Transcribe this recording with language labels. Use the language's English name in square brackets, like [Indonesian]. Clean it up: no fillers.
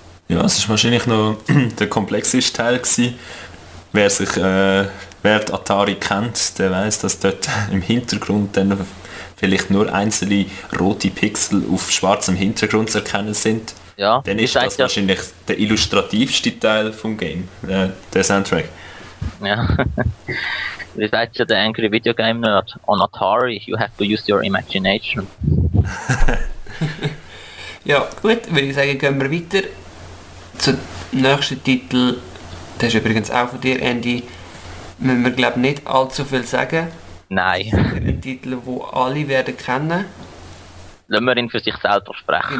[German] Ja, es war wahrscheinlich noch der komplexeste Teil gewesen. Wer sich wer Atari kennt, der weiß, dass dort im Hintergrund dann vielleicht nur einzelne rote Pixel auf schwarzem Hintergrund zu erkennen sind. Ja, dann ist das wahrscheinlich der illustrativste Teil vom Game, der Soundtrack. Ja. Wie sagt ja der Angry Video Game Nerd? [English] On Atari, you have to use your imagination. [German] Ja, gut, würde ich sagen, gehen wir weiter zum nächsten Titel. Das ist übrigens auch von dir, Andy. Müssen wir, glaube ich, nicht allzu viel sagen. Nein. Ein Titel, den alle werden kennen. Lassen wir ihn für sich selber sprechen.